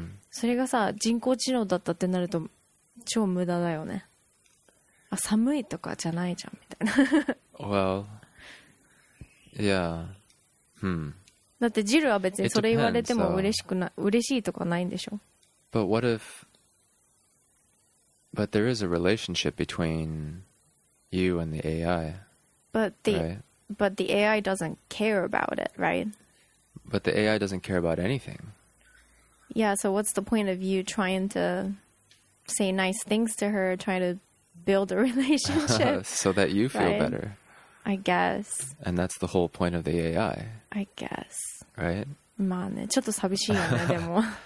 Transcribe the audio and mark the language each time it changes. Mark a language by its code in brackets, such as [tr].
[ja] それがさ、人工知能だったってなると超無駄だよね。あ、寒いとかじゃないじゃんみたいな。 [en] Well, yeah. [ja] だってジルは別にそれ言われても嬉しくな、嬉しいとかないんでしょ。 [en] But what if? But there is a relationship between you and the AI. But the、right? but the AI doesn't care about it, right? But the AI doesn't care about anything. Yeah, so what's the point of you trying to say nice things to her, trying to build a relationship? So that you feel better. I guess. And that's the whole point of the AI. I guess. Right? [ja] まあね、ちょっと寂しいよね、でも。